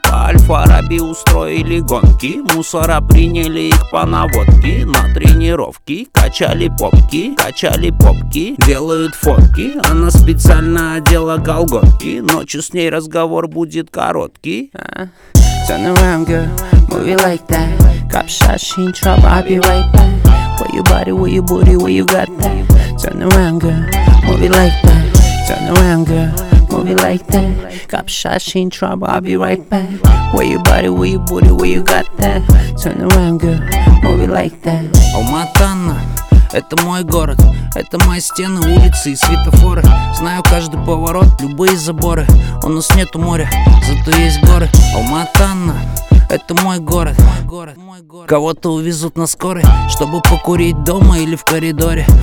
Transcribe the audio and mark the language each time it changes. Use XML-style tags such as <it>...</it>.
<ru>По Альфа-Раби устроили гонки. Мусора приняли их по наводке. На тренировки качали попки. Качали попки, делают фотки. Она специально одела колготки. Ночью с ней разговор будет короткий.</ru> <en>Turn around, girl, move it like that. Cop shot, she in trouble, I'll be right back. For your body, what your booty, what you got that. Turn around, girl, move it like that. Turn around, girl, move it like that. Cop shot, she in trouble, I'll be right back. Where your body, where your booty, where you got that. Turn around, girl, move it like that.</en> <ru>Алма-Ата, это мой город. Это мои стены, улицы и светофоры. Знаю каждый поворот, любые заборы. У нас нету моря, зато есть горы. Алма-Ата, это мой город. Кого-то увезут на скорой, чтобы покурить дома или в коридоре.</ru>